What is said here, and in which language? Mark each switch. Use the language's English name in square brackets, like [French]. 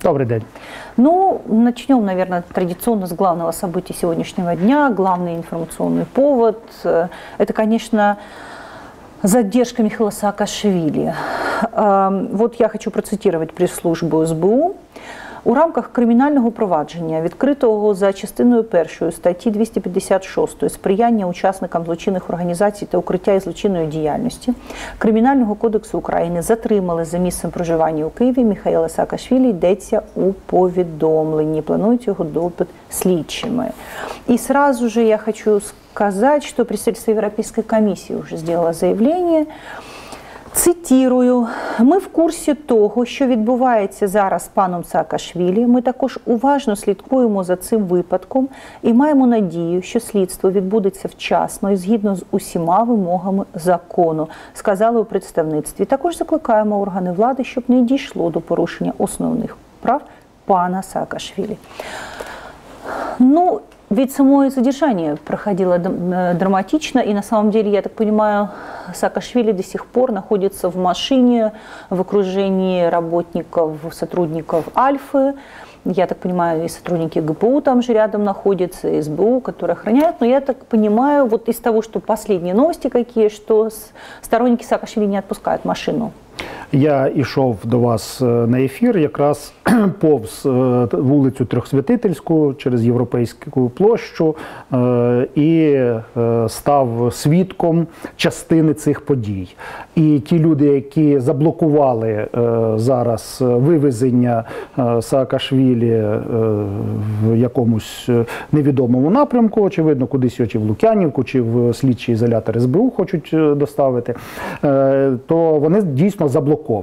[Russian] Добрый день. Ну, начнем, наверное, традиционно с главного события сегодняшнего дня. Главный информационный повод. Это, конечно, задержка Михаила Саакашвили. Вот я хочу процитировать пресс-службу СБУ. [Ukrainian] У рамках кримінального провадження, відкритого за частиною першою статті 256 «Сприяння учасникам злочинних організацій та укриття із злочинної діяльності» Кримінального кодексу України, затримали за місцем проживання у Києві Михайла Саакашвілі, йдеться у повідомленні. Планують його допит слідчими. І [Russian] сразу же [Ukrainian] я хочу сказати, що представництво Європейської комісії вже зробило заявлення. [Russian] Цитирую, [Ukrainian] ми в курсі того, що відбувається зараз з паном Саакашвілі, ми також уважно слідкуємо за цим випадком і маємо надію, що слідство відбудеться вчасно і згідно з усіма вимогами закону, сказали у представництві. Також закликаємо органи влади, щоб не дійшло до порушення основних прав пана Саакашвілі. [Russian] Ну, ведь само задержание проходило драматично, и на самом деле, я так понимаю, Саакашвили до сих пор находится в машине, в окружении работников, сотрудников Альфы. Я так понимаю, и сотрудники ГПУ там же рядом находятся, и СБУ, которые охраняют. Но я так понимаю, вот из того, что последние новости какие, что сторонники Саакашвили не отпускают машину. [Ukrainian] Я йшов до вас на ефір якраз повз вулицю Трьохсвятительську через Європейську площу і став свідком частини цих подій. І ті люди, які заблокували зараз вивезення Саакашвілі в якомусь невідомому напрямку, очевидно, кудись чи в Лук'янівку, чи в слідчий ізолятор СБУ хочуть доставити, то вони дійсно заблокували.